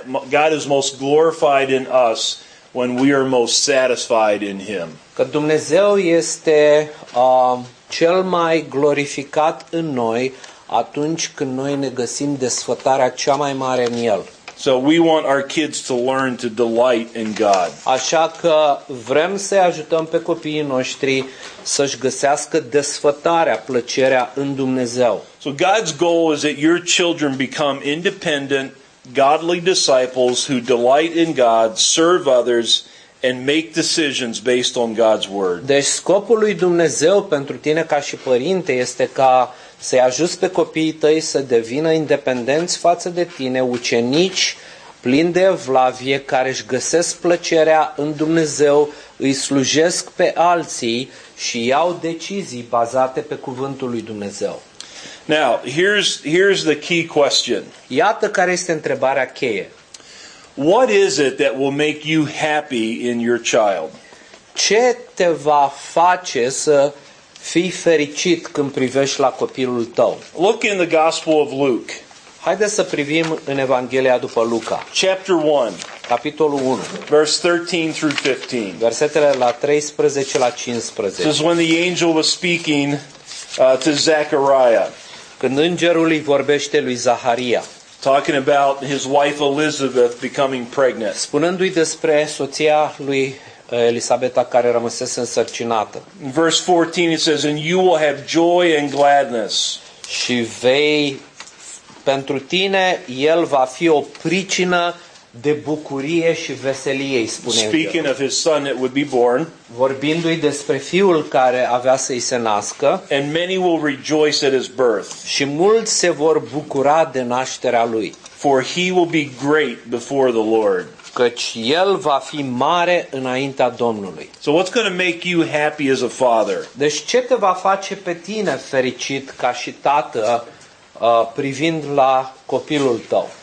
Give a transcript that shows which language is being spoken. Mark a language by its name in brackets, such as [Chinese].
[English] God is most glorified in us when we are most satisfied in him. [Romanian] Că Dumnezeu este cel mai glorificat în noi atunci când noi ne găsim desfătarea cea mai mare în el. [English] So we want our kids to learn to delight in God. [Romanian] Așa că vrem să ajutăm pe copiii noștri să-și găsească desfătarea, plăcerea în Dumnezeu. [English] So God's goal is that your children become independent, godly disciples who delight in God, serve others and make decisions based on God's word. [Romanian] Deci scopul lui Dumnezeu pentru tine ca și părinte este ca să-i ajuți pe copiii tăi să devină independenți față de tine, ucenici plini de evlavie, care își găsesc plăcerea în Dumnezeu, îi slujesc pe alții și iau decizii bazate pe cuvântul lui Dumnezeu. [English] Now, here's the key question. [Romanian] Iată care este întrebarea cheie. [English] What is it that will make you happy in your child? [Romanian] Ce te va face să fii fericit când privești la copilul tău? [English] Look in the Gospel of Luke. [Romanian] Haideți să privim în Evanghelia după Luca. [English] Chapter 1. [Romanian] Capitolul 1. [English] Verse 13 through 15. [Romanian] Versetele la 13 la 15. [English] This is when the angel was speaking to Zechariah. [Romanian] Când îngerul îi vorbește lui Zaharia. [English] Talking about his wife Elizabeth becoming pregnant. [Romanian] Spunându-i despre soția lui Elisabeta care rămăsese însărcinată. [English] Verse 14 it says, and you will have joy and gladness. [Romanian] Și vei, pentru tine, el va fi o pricină de bucurie și veselie, spune el. [English] Speaking of his son that would be born. [Romanian] Vorbindu-i despre fiul care avea să-i se nască. [English] And many will rejoice at his birth. [Romanian] Și mulți se vor bucura de nașterea lui. [English] For he will be great before the Lord. [Romanian] Căci el va fi mare înaintea Domnului. [English] So what's going to make you happy as a father? [Romanian] Deci ce te va face pe tine fericit ca și tată privind la copilul tău?